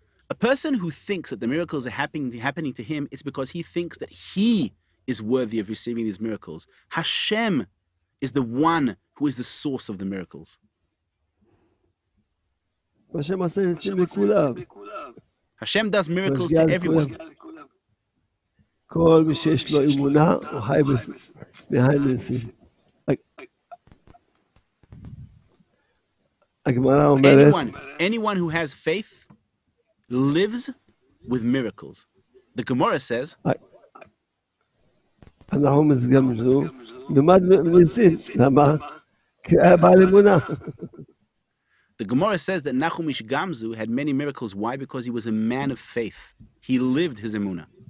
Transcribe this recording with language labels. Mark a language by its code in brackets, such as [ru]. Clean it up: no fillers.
[en] A person who thinks that the miracles are happening to him, it's because he thinks that he is worthy of receiving these miracles. Hashem is the one who is the source of the miracles. [he] Hashem עושה ניסים לכולם. [en] Hashem does miracles to everyone. [he] כל מי שיש לו אמונה, הוא חי מהם ניסים. הגמרא אומרת... [en] Anyone who has faith lives with miracles. The Gemara says... [he] אנחנו מסגם זו, נמד ניסים, למה? כי היה בעל אמונה. [en] The Gemara says that Nachumish Gamzu had many miracles. Why? Because he was a man of faith. He lived his emunah.